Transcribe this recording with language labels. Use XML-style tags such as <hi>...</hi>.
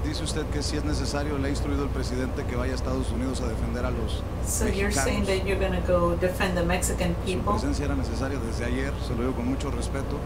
<es>Dice usted que si es necesario, le ha instruido el presidente que vaya a Estados Unidos a defender a los</es> <en>so</en> <es>mexicanos.</es> <en>You're saying that you're going to go defend the Mexican people.</en> <es>Su presencia era necesaria desde ayer, se lo digo con mucho respeto.</es>